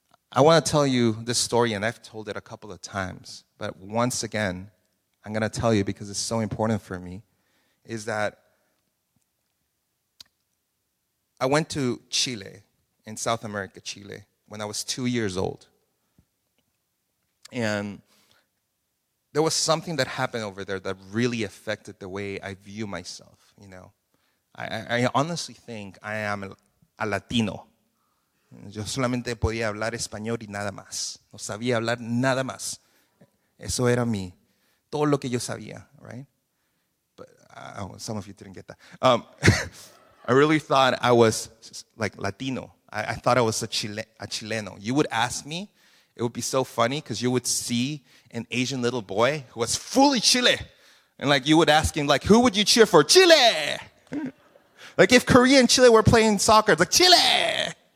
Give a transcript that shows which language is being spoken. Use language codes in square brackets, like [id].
[en] I want to tell you this story, and I've told it a couple of times, but once again, I'm going to tell you because it's so important for me, is that I went to Chile, in South America, Chile, when I was 2 years old. And there was something that happened over there that really affected the way I view myself, you know. I honestly think I am a Latino. [es] Yo solamente podía hablar español y nada más. No sabía hablar nada más. Eso era mí. Todo lo que yo sabía, [en] right? But some of you didn't get that. I really thought I was like Latino. I thought I was a Chileno. You would ask me. It would be so funny because you would see an Asian little boy who was fully Chile. And like you would ask him, like, who would you cheer for? Chile! Like if Korea and Chile were playing soccer, it's like, Chile!